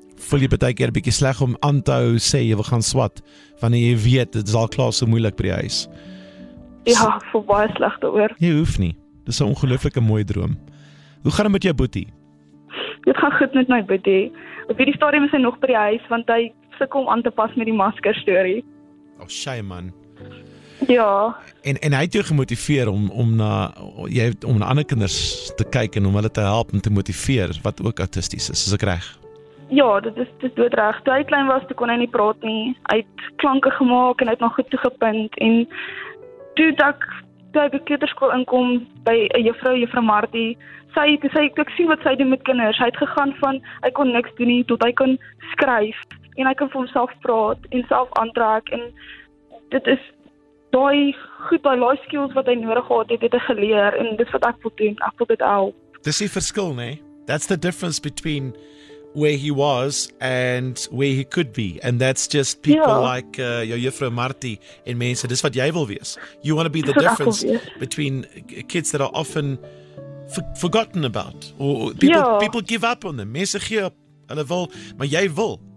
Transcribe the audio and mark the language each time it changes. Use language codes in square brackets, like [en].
[af] Voel jy baie keer bietjie sleg om aan te hou sê jy wil gaan swat wanneer jy weet dit is al klaar so moeilik by die huis? Ja, voel baie sleg daaroor. Jy hoef nie. Dis 'n ongelooflike mooi droom. Hoe gaan dit met jou boetie? Dit gaan goed met my boetie. Op hierdie stadium is hy nog by die huis want hy sukkel om aan te pas met die masker storie. [en] Oh, shame man. [af] Ja. En hy het jou gemotiveer om na ander kinders te kyk en om hulle te help en te motiveer wat ook autisties is. Is ek reg? Ja, dit is doodreg. Toe hy klein was, toe kon hy nie praat nie. Hy het klanke gemaak en hy het nog goed toegepind. En toe ek by kleuterskool inkom by 'n juffrou Martie, toe ek sien wat sy doen met kinders. Hy het gegaan van, hy kon niks doen nie, tot hy kon skryf. En hy kon vir homself praat en self aantrek. En dit is daai life skills wat hy nodig gehad het hy geleer. En dit is wat ek wil doen. Ek wil dit help. Dis die verskil, nee? [en] That's the difference between... where he was and where he could be. And that's just people like your juffrou Martie and mense. [af] Dis wat jy wil wees. [en] You want to be the difference between kids that are often forgotten about. Or people give up on them. [af] Mense gee op, hulle wil, maar jy wil.